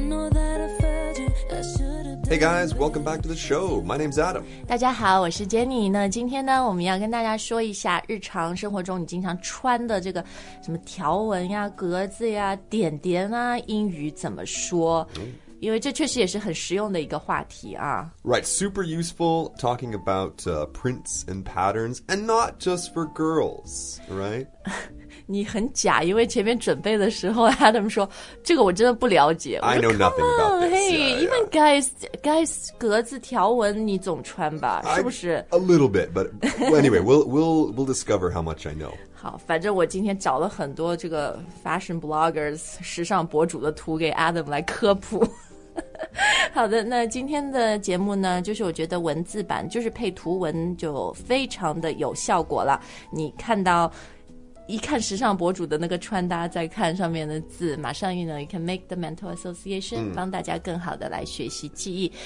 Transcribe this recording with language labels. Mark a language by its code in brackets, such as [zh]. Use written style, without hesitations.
[en] Hey guys, welcome back to the show. My name's Adam. [zh] 大家好，我是 Jenny。那今天呢，我们要跟大家说一下日常生活中你经常穿的这个什么条纹呀、格子呀、点点啊，英语怎么说？因为这确实也是很实用的一个话题啊。 [en] Right, super useful, talking about prints and patterns, and not just for girls, right? [zh] 你很假，因为前面准备的时候 Adam 说这个我真的不了解。 [en] I know nothing about this. Hey, even guys, [zh] 格子条纹你总穿吧，是不是？ [en] A little bit, but anyway, we'll discover how much I know. [zh] 好，反正我今天找了很多这个 fashion bloggers, 时尚博主的图给 Adam 来科普。好的，那今天的节目呢，就是我觉得文字版就是配图文就非常的有效果了。你看到一看时尚博主的那个穿搭，再看上面的字，马上 [en] you know, you can make the mental association, [zh] 帮大家更好的来学习记忆。